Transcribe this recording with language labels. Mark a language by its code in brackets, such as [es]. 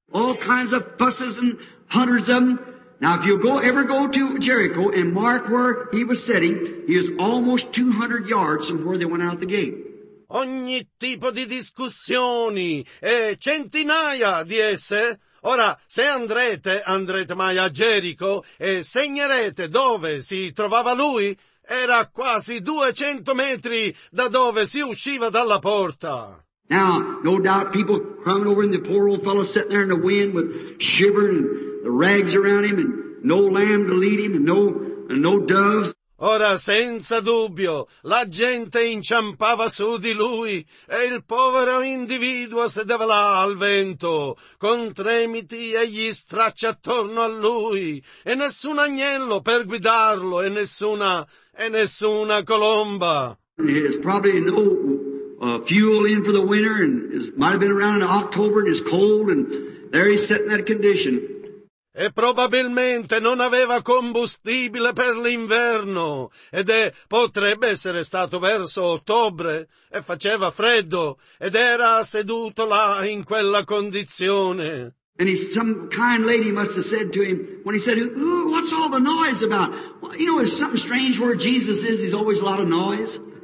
[en] All kinds of fusses and hundreds of them. Now if you go ever go to Jericho and mark where he was sitting, he is almost 200 yards from where they went out the gate. [it] Ogni tipo di discussioni e centinaia di esse. Ora, se andrete mai a Gerico e segnerete dove si trovava lui, era quasi 200 metri da dove si usciva dalla porta. [en] Now, no doubt people crying over in the poor old fellow sitting there in the wind with shivering and the rags around him and no lamb to lead him and no doves. [it] Ora, senza dubbio, la gente inciampava su di lui, e il povero individuo sedeva là al vento, con tremiti e gli stracci attorno a lui, e nessun agnello per guidarlo, e nessuna colomba. [en] There's probably no fuel in for the winter, and it might have been around in October, and it's cold, and there he's sitting in that condition. [it] E probabilmente non aveva combustibile per l'inverno, potrebbe essere stato verso ottobre, e faceva freddo, ed era seduto là in quella condizione. [en] And some kind lady must have said to him, when he said, what's all the noise about? Well, you know, it's something strange where Jesus is, there's always a lot of noise.